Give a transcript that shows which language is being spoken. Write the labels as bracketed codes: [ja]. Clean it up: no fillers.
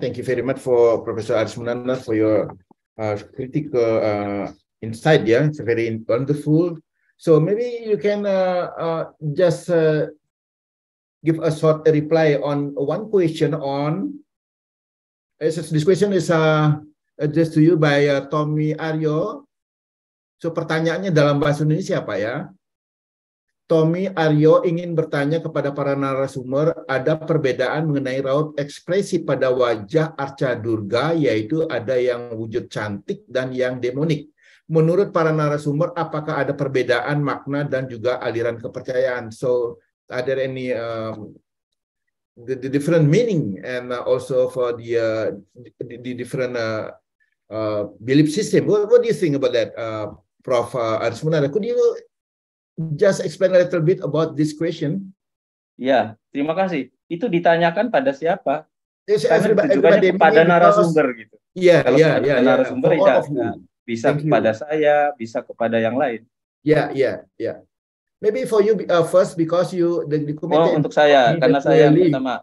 [en] Thank you very much for Professor Aris Munandar for your critical insight. Yeah, it's very wonderful. So maybe you can just give a short reply on one question on. This question is addressed to you by Tommy Aryo. [id] So pertanyaannya dalam bahasa Indonesia apa ya? Tommy Aryo ingin bertanya kepada para narasumber, ada perbedaan mengenai raut ekspresi pada wajah Arca Durga, yaitu ada yang wujud cantik dan yang demonik. Menurut para narasumber, apakah ada perbedaan makna dan juga aliran kepercayaan? [en] So, are there any the different meaning and also for the different belief system? What do you think about that, Prof. Aris Munandar? Could you just explain a little bit about this question? [id] Ya, terima kasih. Itu ditanyakan pada siapa? Ditanyakan kepada narasumber gitu. Iya, iya, iya. Narasumber itu bisa kepada saya, bisa kepada yang lain. [en] Iya, iya, iya. Maybe for you first because you the committee. [id] Oh, untuk saya karena saya yang pertama.